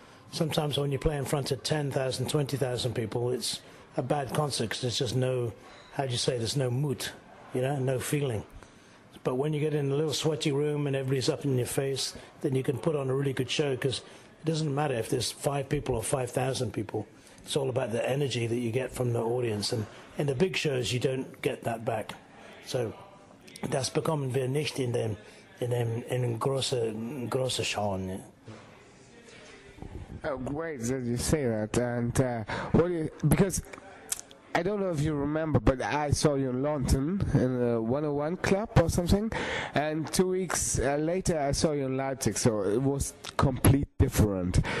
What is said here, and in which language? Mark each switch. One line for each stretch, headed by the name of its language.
English: So sometimes when you play in front of 10,000, 20,000 people, it's a bad concert because there's just no, how do you say, there's no mood. You know, no feeling. But when you get in a little sweaty room and everybody's up in your face, then you can put on a really good show because it doesn't matter if there's 5 people or 5,000 people. It's all about the energy that you get from the audience. And in the big shows, you don't get that back.
German: So das bekommen wir nicht in große Schauen.
English: Oh, great that you say that. And what do you... Because... I don't know if you remember, but I saw you in London in the 101 club or something, and 2 weeks later I saw you in Leipzig, so it was complete different.